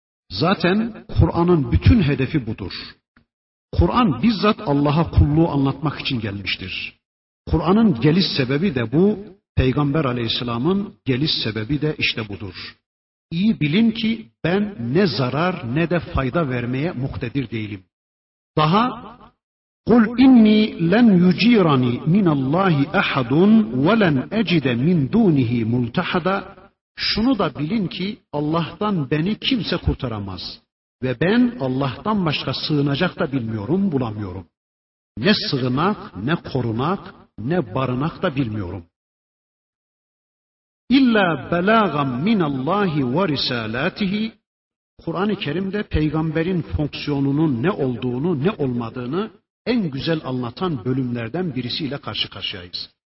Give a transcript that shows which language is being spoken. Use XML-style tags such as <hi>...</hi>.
<tr>Zaten Kur'an'ın bütün hedefi budur. Kur'an bizzat Allah'a kulluğu anlatmak için gelmiştir. Kur'an'ın geliş sebebi de bu, Peygamber aleyhisselamın geliş sebebi de işte budur. İyi bilin ki ben ne zarar ne de fayda vermeye muktedir değilim.</tr> <ar>Daha قُلْ اِنِّي لَنْ يُج۪يرَنِي مِنَ اللّٰهِ اَحَدٌ وَلَنْ اَجِدَ مِنْ دُونِهِ مُلْتَحَدًا</ar> <tr>Şunu da bilin ki Allah'tan beni kimse kurtaramaz. Ve ben Allah'tan başka sığınacak da bilmiyorum, bulamıyorum. Ne sığınak, ne korunak, ne barınak da bilmiyorum.</tr> <ar>اِلَّا بَلَاغًا مِنَ اللّٰهِ وَرِسَالَاتِهِ</ar> <tr>Kur'an-ı Kerim'de peygamberin fonksiyonunun ne olduğunu, ne olmadığını en güzel anlatan bölümlerden birisiyle karşı karşıyayız.</tr>